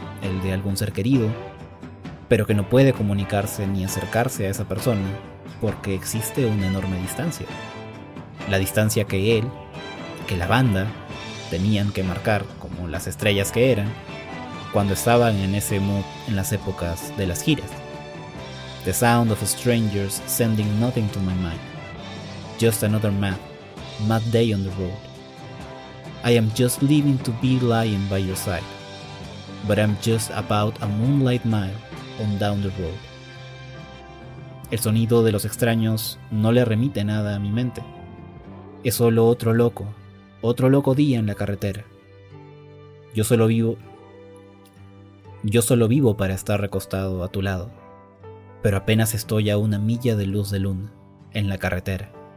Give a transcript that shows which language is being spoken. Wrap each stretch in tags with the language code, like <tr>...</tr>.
<es>el de algún ser querido, pero que no puede comunicarse ni acercarse a esa persona porque existe una enorme distancia. La distancia que él, que la banda, tenían que marcar como las estrellas que eran cuando estaban en ese mood en las épocas de las giras.</es> <en>The sound of strangers sending nothing to my mind. Just another mad, mad day on the road. I am just living to be lying by your side. But I'm just about a moonlight mile on down the road.</en> <es>El sonido de los extraños no le remite nada a mi mente. Es solo otro loco día en la carretera. Yo solo vivo para estar recostado a tu lado. Pero apenas estoy a una milla de luz de luna en la carretera.</es>